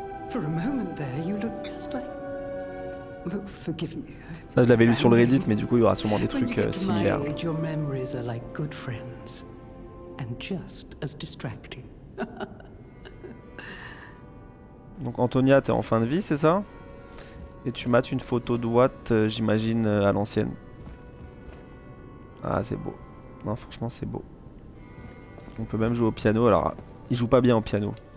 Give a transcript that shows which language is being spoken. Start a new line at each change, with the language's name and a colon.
English: For a moment there, you look just like... But forgive me.
French: Ça, je l'avais lu sur le Reddit, mais du coup, il y aura sûrement des trucs similaires.
English: When you get to my age, your memories are like good friends. And just as distracting.
French: Donc Antonia, t'es en fin de vie, c'est ça? Et tu mates une photo de Watt, j'imagine, à l'ancienne. Ah, c'est beau. Non, franchement, c'est beau. On peut même jouer au piano. Alors, il joue pas bien au piano.